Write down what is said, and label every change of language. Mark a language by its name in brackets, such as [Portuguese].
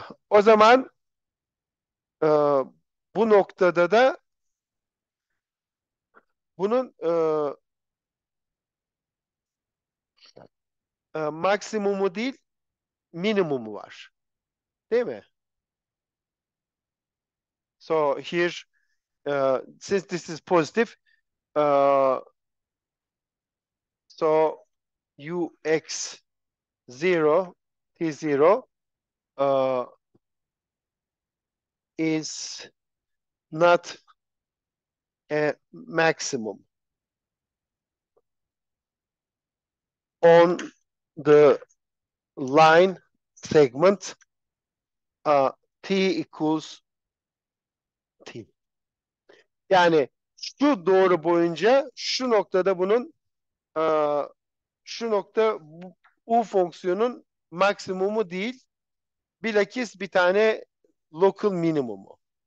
[Turkish] O zaman bu noktada da bunun maksimumu değil, minimumu var. Değil mi? [English] So here, since this is positive, so ux 0, t 0 is not a maximum on the line segment t equals t. [Turkish] Yani şu doğru boyunca şu noktada bunun şu nokta u fonksiyonun maksimumu değil, bilakis bir tane local minimumu.